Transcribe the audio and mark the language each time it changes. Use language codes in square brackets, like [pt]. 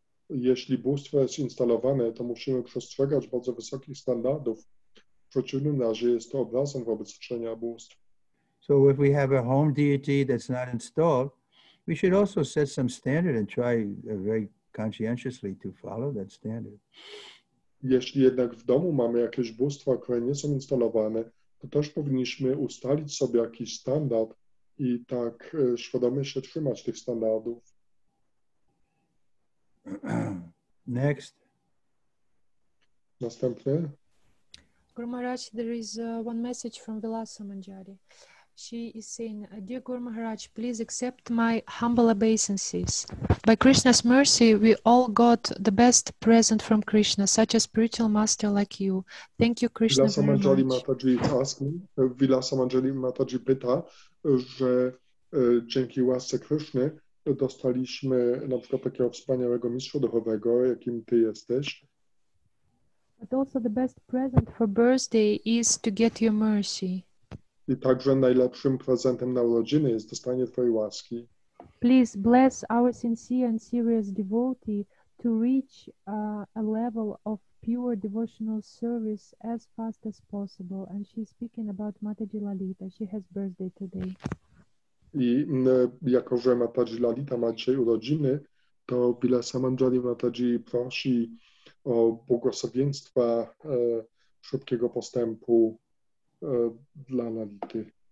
[pl] Jeśli bóstwo jest instalowane, to musimy przestrzegać bardzo wysokich standardów. W przeciwnym razie jest to obrazem wobec czczenia bóstw. [en] So if we have a home deity that's not installed, we should also set some standard and try very conscientiously to follow that standard. [pl] Jeśli jednak w domu mamy jakieś bóstwa, które nie są instalowane, to też powinniśmy ustalić sobie jakiś standard i tak świadomie się trzymać tych standardów. [en] Next. [pl] Następny. [en] Guru Maharaj, there is one message from Vilasa Manjari. She is saying, dear Guru Maharaj, please accept my humble obeisances. By Krishna's mercy, we all got the best present from Krishna, such a spiritual master like you. Thank you, Krishna, Vilasa Manjari Mataji is asking, [pl] Vilasa Manjari Mataji pyta, że dzięki łasce Krishny dostaliśmy na przykład takiego wspaniałego mistrza duchowego, jakim ty jesteś. [en] But also the best present for birthday is to get your mercy. [pl] I także najlepszym prezentem na urodziny jest dostanie twojej łaski. [en] Please bless our sincere and serious devotee to reach a level of pure devotional service as fast as possible. And she's speaking about Mataji Lalita. She has birthday today. [pl] I jako że Mataji Lalita ma dzisiaj urodziny, to Vilasa Manjari Mataji prosi o błogosławieństwa szybkiego postępu dla Lality.